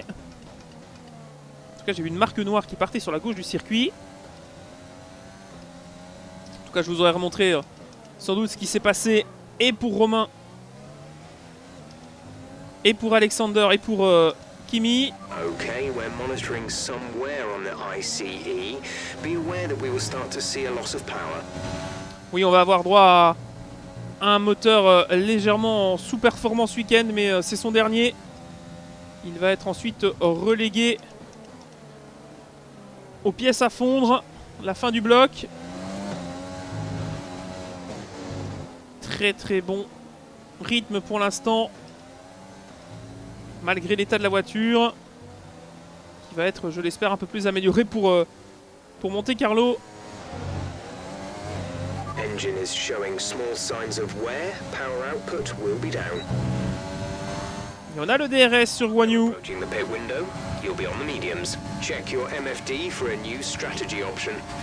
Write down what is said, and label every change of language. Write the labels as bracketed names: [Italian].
[French] En tout cas, j'ai vu une marque noire qui partait sur la gauche du circuit. En tout cas, je vous aurais remontré sans doute ce qui s'est passé. Et pour Romain, et pour Alexander, et pour Kimi. [English] Okay, we're monitoring somewhere on the ICE. Be aware that we will start to see a loss of power. [French] Oui, on va avoir droit à un moteur légèrement sous-performant ce week-end, mais c'est son dernier. Il va être ensuite relégué aux pièces à fondre, la fin du bloc. Très très bon rythme pour l'instant, malgré l'état de la voiture, qui va être, je l'espère, un peu plus amélioré pour Monte Carlo. [English] Engine is showing small signs of wear. Power output will be down. [French] Et on a le DRS sur Guan Yu. [English] Approaching the pit window, you'll be on the mediums. Check your MFD for a new strategy option.